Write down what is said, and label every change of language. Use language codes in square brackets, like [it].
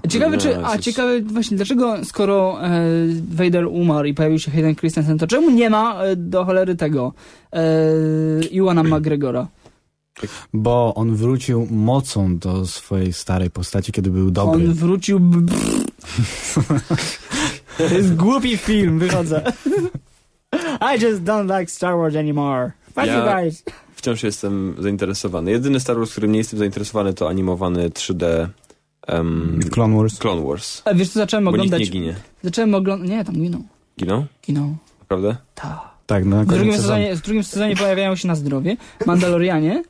[pl] Ciekawe, czy, a ciekawe właśnie, dlaczego skoro Vader umarł i pojawił się Hayden Christensen, to czemu nie ma do cholery tego Iwana McGregora? Bo on wrócił mocą do swojej starej postaci, kiedy był dobry. On wrócił... To jest głupi film, wychodzę. [en] I just don't like Star Wars anymore. Fuck you guys. [pl] Wciąż jestem zainteresowany. Jedyny Star Wars, którym nie jestem zainteresowany, to animowany 3D... Clone Wars. Clone Wars. A wiesz co, zacząłem oglądać... Bo nikt nie ginie. Zacząłem oglądać... Nie, tam giną. Giną? Giną. Prawda? Tak. Tak, no, w drugim sezonie pojawiają się na zdrowie Mandalorianie.